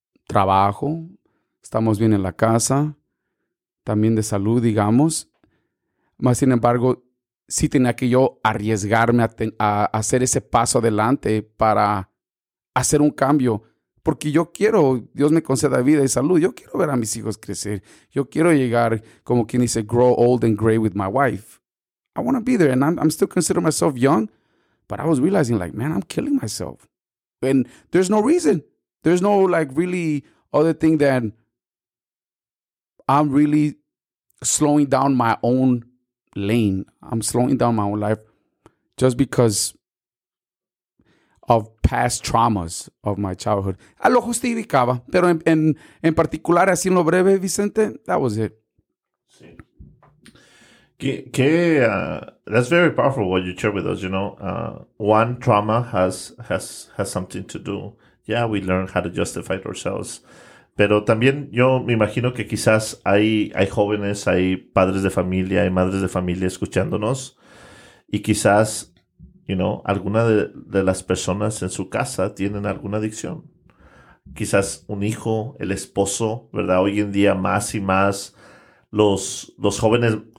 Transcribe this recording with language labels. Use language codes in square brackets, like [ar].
[es] Trabajo, estamos bien en la casa, también de salud, digamos. Más sin embargo, sí tenía que yo arriesgarme a hacer ese paso adelante para hacer un cambio. Porque yo quiero, Dios me conceda vida y salud, yo quiero ver a mis hijos crecer. Yo quiero llegar, como quien dice, [en] grow old and gray with my wife. I want to be there, and I'm still considering myself young, but I was realizing, like, man, I'm killing myself. And there's no reason. There's no, like, really other thing than I'm really slowing down my own lane. I'm slowing down my own life just because of past traumas of my childhood. [es] I lo justificaba, pero en particular, así en lo breve, Vicente, [en] that was it. That's very powerful what you share with us. You know, one trauma has something to do. Yeah, we learn how to justify ourselves. [es] Pero también yo me imagino que quizás hay jóvenes, hay padres de familia, hay madres de familia escuchándonos. Y quizás, you know, alguna de las personas en su casa tienen alguna adicción. Quizás un hijo, el esposo, ¿verdad? Hoy en día más y más los jóvenes.